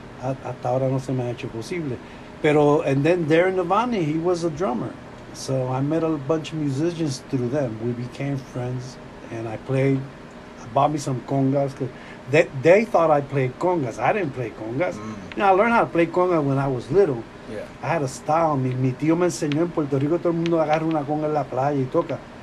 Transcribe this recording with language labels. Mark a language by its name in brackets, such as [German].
[Spanish] Hasta ahora no se me ha hecho posible. [English] Pero, and then Darren Navani, he was a drummer. So I met a bunch of musicians through them. We became friends, and I played. I bought me some congas. They thought I played congas. I didn't play congas. Mm. You know, I learned how to play congas when I was little. Yeah. I had a style. [Spanish] Mi tío me enseñó en Puerto Rico, todo el mundo agarra una conga en la playa y toca.